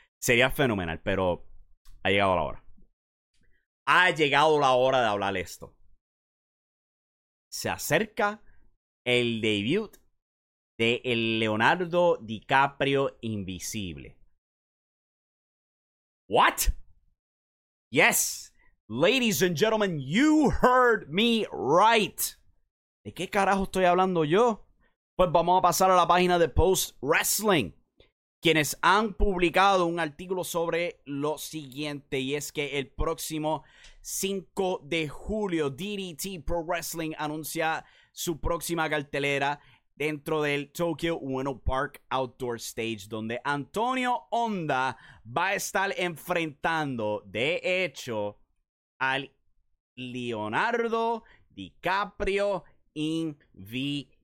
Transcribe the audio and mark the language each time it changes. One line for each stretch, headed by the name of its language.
Spanish: Sería fenomenal, pero ha llegado la hora. Ha llegado la hora de hablar esto. Se acerca el debut de el Leonardo DiCaprio invisible.
English: What? Yes. Ladies and gentlemen, you heard me right.
Spanish: ¿De qué carajo estoy hablando yo? Pues vamos a pasar a la página de Post Wrestling, quienes han publicado un artículo sobre lo siguiente, y es que el próximo 5 de julio, DDT Pro Wrestling anuncia su próxima cartelera dentro del Tokyo Ueno Park Outdoor Stage, donde Antonio Honda va a estar enfrentando, de hecho, al Leonardo DiCaprio invisible.